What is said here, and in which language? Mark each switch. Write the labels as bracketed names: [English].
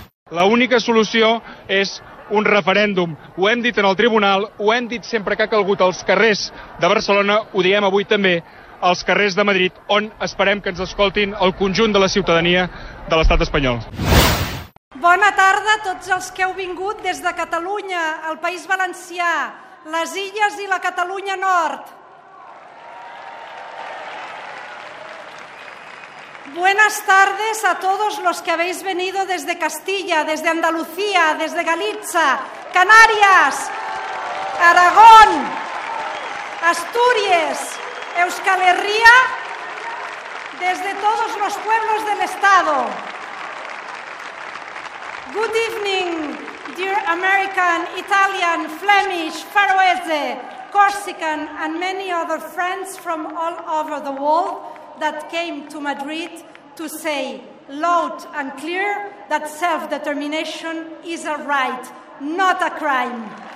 [Catalan] L'única solució és un referèndum. Ho hem dit en el tribunal, ho hem dit sempre que ha calgut als carrers de Barcelona, ho diem avui també, als carrers de Madrid, on esperem que ens escoltin el conjunt de la ciutadania de l'Estat espanyol. Bona tarda a tots els que heu vingut des de Catalunya, el País Valencià, les Illes i la Catalunya Nord. [Spanish] Buenas tardes a todos los que habéis venido desde Castilla, desde Andalucía, desde Galicia, Canarias, Aragón, Asturias, Euskal Herria, desde todos los pueblos del Estado. [English] Good evening, dear American, Italian, Flemish, Faroese, Corsican, and many other friends from all over the world that came to Madrid to say loud and clear that self-determination is a right, not a crime.